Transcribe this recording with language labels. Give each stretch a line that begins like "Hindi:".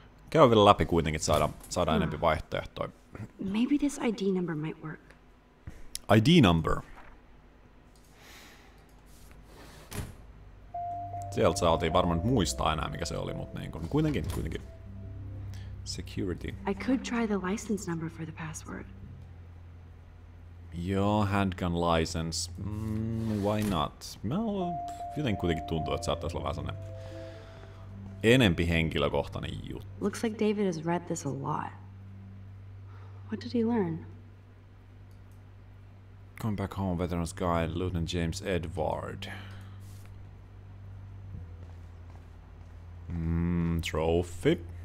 Finnish: Käy vielä läpi kuitenkin, että saadaan enempi vaihtoehtoja.
English: Maybe this ID number might work. ID number.
Finnish: Sieltä saatiin varmaan muistaa enää, mikä se oli, mutta niin kuin, kuitenkin.
English: Security. I could try the license number for the password. Joo, handgun license. Why not?
Finnish: Mä jotenkin kuitenkin tuntuu, että saattaisi olla vähän sellainen enempi henkilökohtainen juttu.
English: Looks like David has read this a lot. What did he learn? Going back home, veteran's guide, Lieutenant James Edward. Trophy.